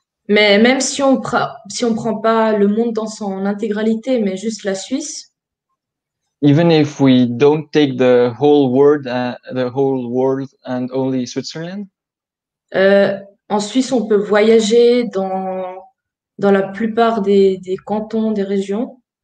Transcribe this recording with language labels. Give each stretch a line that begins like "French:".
French: Mais même si on prend pas le monde dans son intégralité, mais juste la Suisse.
English: Even if we don't take the whole world and only Switzerland.
French: En Suisse, on peut voyager dans la plupart des cantons, des régions.